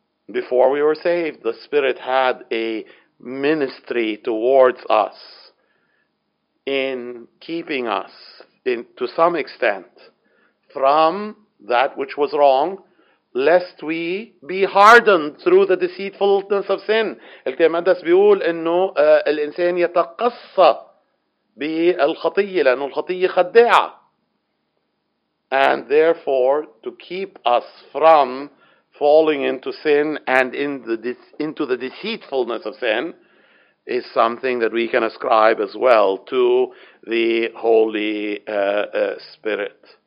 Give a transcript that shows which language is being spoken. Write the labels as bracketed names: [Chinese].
[English] Before we were saved, the Spirit had a ministry towards us in keeping us, to some extent, from that which was wrong, lest we be hardened through the deceitfulness of sin. [Arabic] المقدس بيقول إنه الإنسان يتقصى بالخطية لأنه الخطية خداعة. [English] And therefore, to keep us from falling into sin and into the deceitfulness of sin is something that we can ascribe as well to the Holy Spirit.